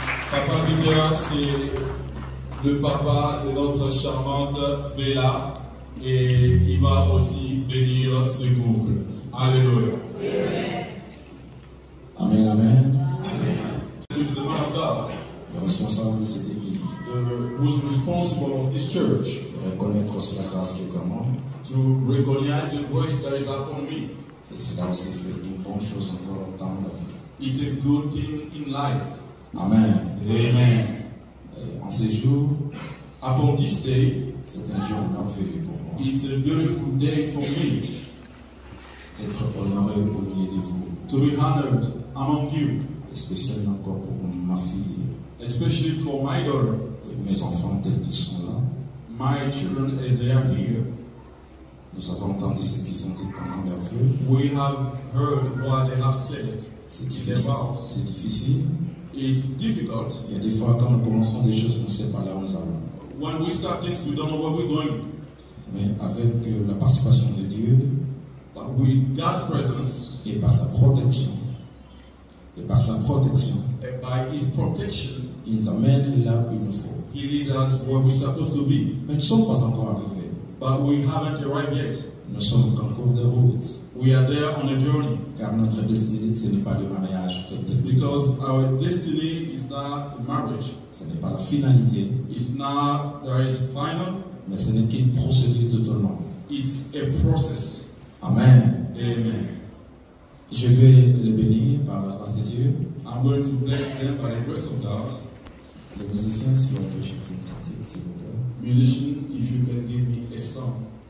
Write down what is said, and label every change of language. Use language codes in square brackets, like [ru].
[fr] Papa Peter, c'est le papa de notre charmante Bella et il va aussi bénir ce couple. Alléluia. Amen, amen. Amen. Le responsable de cette église. [en] Who's responsible of this church? [fr] De reconnaître aussi la grâce qui est en moi. [en] To recognize the grace that is upon me. [fr] Et cela aussi fait une bonne chose encore dans la vie. [en] It's a good thing in life. Amen. Amen. [fr] En ces jours, [en] upon this day, [fr] c'est un jour merveilleux pour moi. [en] It's a beautiful day for me. [fr] Être honoré au milieu de vous. [en] To be honored among you. [fr] Et spécialement encore pour ma fille. [en] Especially for my daughter. [fr] Et mes enfants tels qu'ils sont là. [en] My children as they are here. [fr] Nous avons entendu ce qu'ils ont dit pendant leur vœu. [en] We have heard what they have said. [fr] C'est difficile. C'est difficile. [en] It's difficult. [fr] Il y a des fois quand nous commençons des choses, on ne sait pas là où nous allons. [en] When we start things, we don't know where we're going. [fr] Mais avec la participation de Dieu, [en] but with God's presence, et par sa protection, and by His protection, [fr] il nous amène là où il nous faut. [en] He leads us where we're supposed to be. [fr] Mais nous ne sommes pas encore arrivés. [en] But we haven't arrived yet. [fr] Nous sommes en cours de route. [en] We are there on a journey. [fr] Car notre destinée, ce n'est pas le mariage. [en] Because our destiny is not marriage. [fr] Ce n'est pas la finalité. [en] It's not there is final. [fr] Mais ce n'est qu'une procédure tout au long. [en] It's a process. Amen. Amen. [fr] Je vais les bénir par la grâce de Dieu. [en] I'm going to bless them by the grace of God. [fr] Les musiciens, si on peut chanter une cantique, s'il vous plaît. [en] Musician, if you can give me a song.